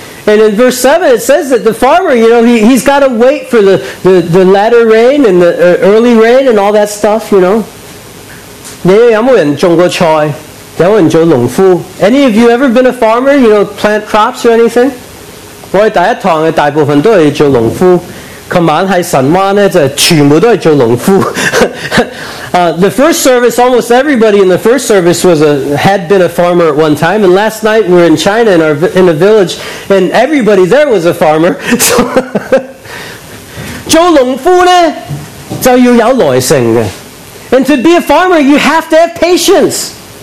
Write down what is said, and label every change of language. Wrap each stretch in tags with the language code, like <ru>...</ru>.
<en>And in verse 7, it says that the farmer, you know, he's got to wait for the latter rain and the early rain and all that stuff, you know.</en> <zh>你有没有人种过菜?有没有人做农夫?</zh> <en>Any of you ever been a farmer, you know, plant crops or anything?</en> <zh>我们第一堂的大部分都是做农夫, 昨晚在神湾呢,就全部都是做农夫。</zh> <en>The first service, almost everybody in the first service had been a farmer at one time. And last night we were in China in a village, and everybody there was a farmer. So,</en> <zh>做农夫呢,就要有耐性的。</zh> <en>And to be a farmer, you have to have patience.</en>